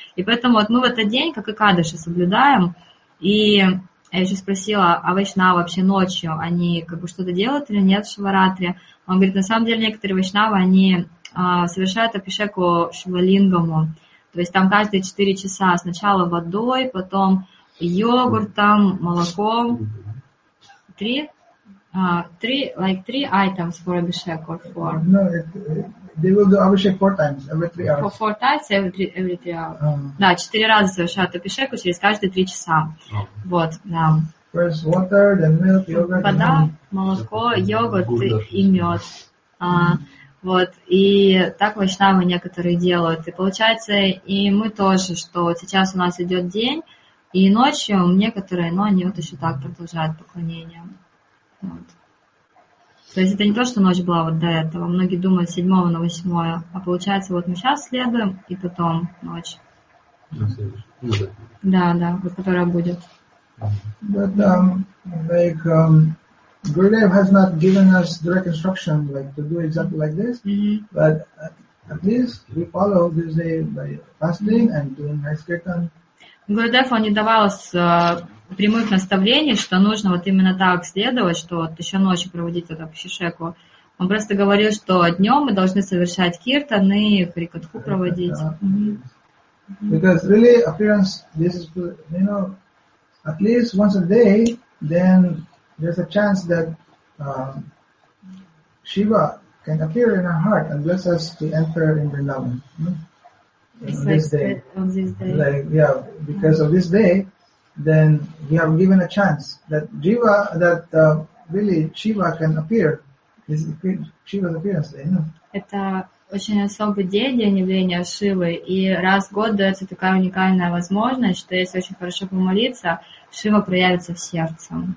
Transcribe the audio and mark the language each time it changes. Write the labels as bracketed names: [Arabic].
[Russian] И поэтому вот мы в этот день, как и Кадыши, соблюдаем. И я еще спросила, а Вайшнавы вообще ночью, они как бы что-то делают или нет в Шиваратри? Он говорит, на самом деле некоторые Вайшнавы, они совершают Абхишеку Шивалингаму. То есть там каждые 4 часа сначала водой, потом йогуртом, молоком. [English] Three items for Abhishek or four? No, they will do Abhishek 4 times, every 3 hours. For 4 times, every 3 hours. [Russian] Да, 4 раза совершают Абхишеку через каждые 3 часа. Oh. Вот, да. [English] First water, then milk, yogurt. [Russian] Вода, молоко, йогурт и мед. Вот, и так Вайшнавы некоторые делают. И получается, и мы тоже, что вот сейчас у нас идет день, и ночью некоторые, но они вот еще так продолжают поклонение. Вот. То есть это не то, что ночь была вот до этого. Многие думают с 7 на 8. А получается, вот мы сейчас следуем, и потом ночь. Mm-hmm. Да, да, вот которая будет. [English] But Gurudev has not given us direct instruction like to do exactly like this. Mm-hmm. But at least we follow this day by fasting and doing nice kirtan. [Russian] Гурудев, он не давал прямых наставлений, что нужно вот именно так следовать, что вот еще ночью проводить вот Абхишеку. Он просто говорил, что днем мы должны совершать киртаны, харикатху проводить. [English] Because really appearance, this is, you know, at least once a day, then there's a chance that Shiva can appear in our heart and bless us to enter in Vrindavan. Mm-hmm. On this day. Like, yeah, because of this day, then we have given a chance that Jiva, that really Shiva can appear. This is Shiva's appearance day, you know. [Russian] Это очень особый день явления Шивы, и раз в год дается такая уникальная возможность, что если очень хорошо помолиться, Шива проявится в сердце.